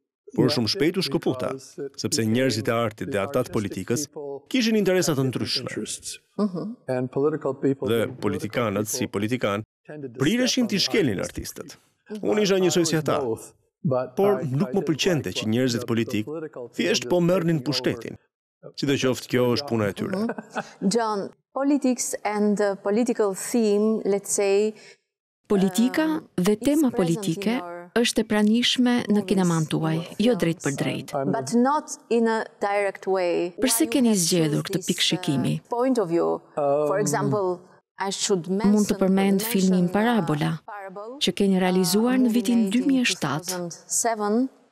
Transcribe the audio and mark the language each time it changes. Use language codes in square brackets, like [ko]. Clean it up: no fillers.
[sq] Por shumë shpejt u shkëputa, sepse njerëzit e artit dhe ata të politikës kishin interesa të ndryshme. Dhe politikanët, si politikan, prirëshin të shkelin artistët. Unë isha njësoj si ata. Por nuk më pëlqente që njerëzit politik thjesht po merrnin pushtetin. Sidoqoftë, kjo është puna e tyre. [en] John, politics and political theme, let's say, [sq] politika dhe tema politike është e pranishme në kineman tuaj, jo drejt për drejt. [en] But not in a direct way. [sq] Përse keni zgjedhur këtë pikë shikimi? [en] Point of view. For example, I should mention [sq] mund të përmend filmin Parabola, që keni realizuar në vitin 2007